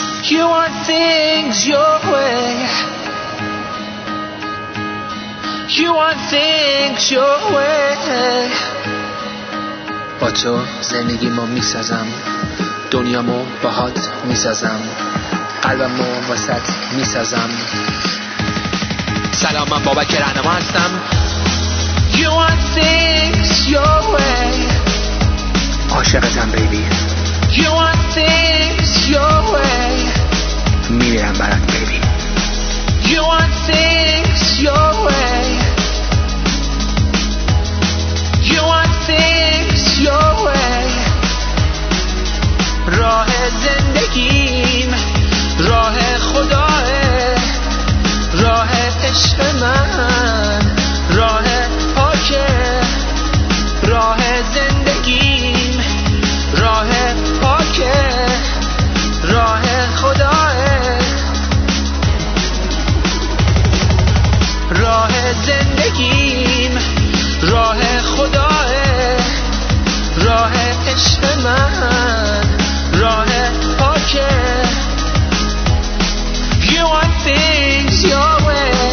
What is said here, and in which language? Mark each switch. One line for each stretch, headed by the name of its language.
English: You want things your way. You want things your way.
Persian: با تو زندگیمو میسازم، دنیامو باهات میسازم، قلبمو وسط میسازم. سلام، من بابک رهنما هستم.
English: You want things your way.
Persian: عاشقتم بیبی.
English: You want things your way.
Persian: میمیرم برات بیبی.
English: You want things your way. You want things your way.
Persian: راه زندگیم راه خداه، راه عشق من، راه پاکه، راه زندگیم، راه پاکه، راه خداه، راه زندگیم، راه خداه، راه عشق من، راه پاکه.
English: You want things your way.